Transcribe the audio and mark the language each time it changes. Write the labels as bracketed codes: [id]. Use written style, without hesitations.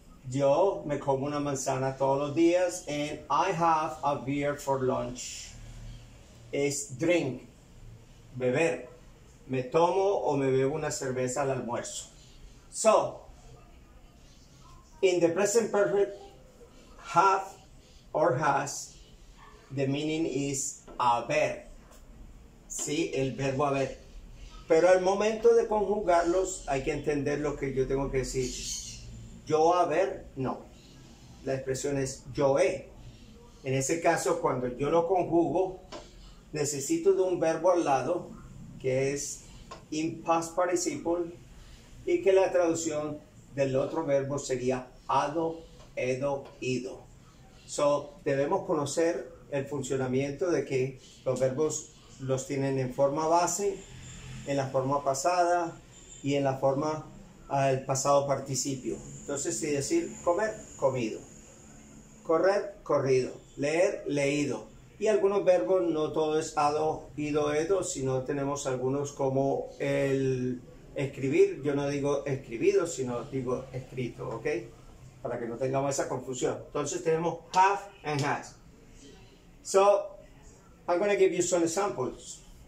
[es] Yo me como una manzana todos los días. [en] And I have a beer for lunch. Is drink. Beber. [es] Me tomo o me bebo una cerveza al almuerzo. [en] So, in the present perfect, have or has, the meaning is haber. [es] Sí, el verbo haber. Pero al momento de conjugarlos, hay que entender lo que yo tengo que decir. Yo haber, no. La expresión es yo he. En ese caso, cuando yo lo conjugo, necesito de un verbo al lado, que es [en] in past participle, [es] y que la traducción del otro verbo sería ado, edo, ido. So, debemos conocer el funcionamiento de que los verbos los tienen en forma base, en la forma pasada y en la forma el pasado participio. Entonces, si decir comer, comido. Correr, corrido. Leer, leído. Y algunos verbos, no todo es ado, ido, edo, sino tenemos algunos como el escribir. Yo no digo escribido, sino digo escrito, ¿ok? Para que no tengamos esa confusión. Entonces tenemos have and has. [en] So, I'm going to give you some examples.